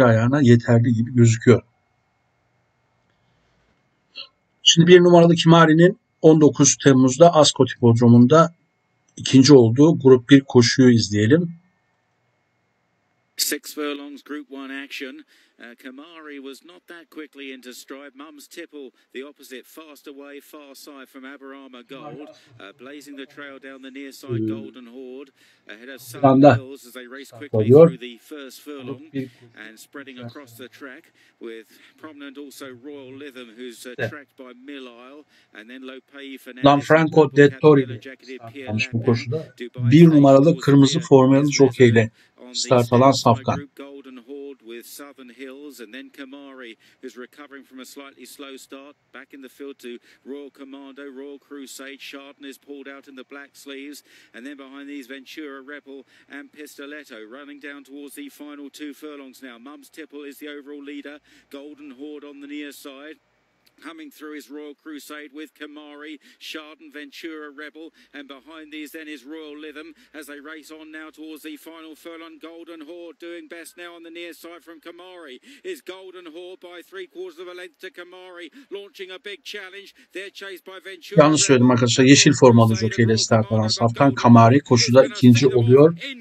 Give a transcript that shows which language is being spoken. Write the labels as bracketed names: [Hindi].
[Turkish] ayağına yeterli gibi gözüküyor. Şimdi 1 numaralı Kimari'nin 19 Temmuz'da Ascot Hipodromu'nda ikinci olduğu grup 1 koşuyu izleyelim. [English] Six furlongs, Group 1 action. Kamari was not that quickly into stride. Mum's Tipple, the opposite, fast away, far side from Aberama Gold. Blazing the trail down the near side, Golden Horde. Ahead of Sun Hills as they race quickly through the first furlong. And spreading across the track with prominent also Royal Lytham, who's tracked by Mill Isle. And then Lopei Fernandez. [Turkish] Lanfranco De Torre'yle tanış bu koşuda. Bir numaralı kırmızı formalı jockey'le start alan Safkan. [English] With Southern Hills and then Kamari, who's recovering from a slightly slow start, back in the field to Royal Commando, Royal Crusade, Chardon is pulled out in the black sleeves, and then behind these Ventura Rebel and Pistoletto running down towards the final two furlongs now. Mum's Tipple is the overall leader, Golden Horde on the near side. Coming through is Royal Crusade with Kamari, Chardon, Ventura, Rebel, and behind these then is Royal Lytham as they race on now towards the final furlong. Golden Horde doing best now on the near side from Kamari. Is Golden Horde by three quarters of a length to Kamari, launching a big challenge. They're chased by Ventura. [Turkish] Yanlış söyledim arkadaşlar. Yeşil formalı jockeyle start alan Safkan Kamari koşuda ikinci oluyor.